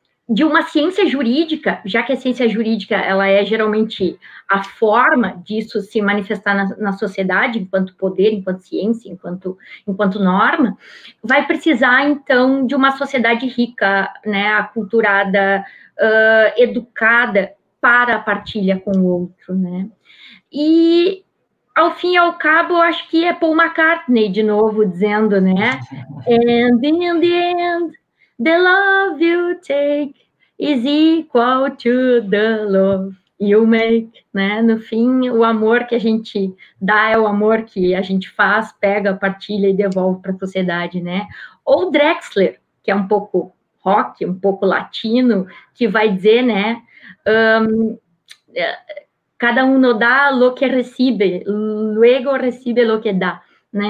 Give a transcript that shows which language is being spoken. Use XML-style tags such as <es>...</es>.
<pt>de uma ciência jurídica, já que a ciência jurídica ela é geralmente a forma disso se manifestar na sociedade, enquanto poder, enquanto ciência, enquanto norma, vai precisar, então, de uma sociedade rica, né, aculturada, educada para a partilha com o outro. Né? E ao fim e ao cabo, eu acho que é Paul McCartney de novo dizendo, né?</pt> <en>And in the end, the love you take is equal to the love you make, né?</en> <pt>No fim, o amor que a gente dá é o amor que a gente faz, pega, partilha e devolve para a sociedade, né? Ou Drexler, que é um pouco rock, um pouco latino, que vai dizer, né?</pt> <es>Cada um no dá lo que recebe, luego recebe lo que dá, né?</es>